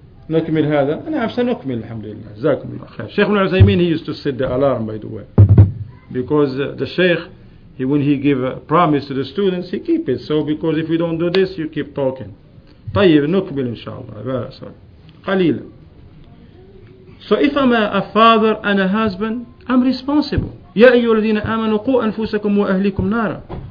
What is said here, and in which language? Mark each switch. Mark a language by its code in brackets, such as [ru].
[ar] نكمل هذا أنا عفوا سنكمل الحمد لله جزاكم الله خير. [en] شيخ ابن عثيمين, he used to set the alarm by the way, because the sheikh, he, when he give a promise to the students, he keep it. So because if you don't do this, you keep talking. [ar] طيب نكمل إن شاء الله قليلا. [en] So if I'm a father and a husband, I'm responsible. [ar] يا أيها الذين آمنوا قوا أنفسكم وأهليكم نارا.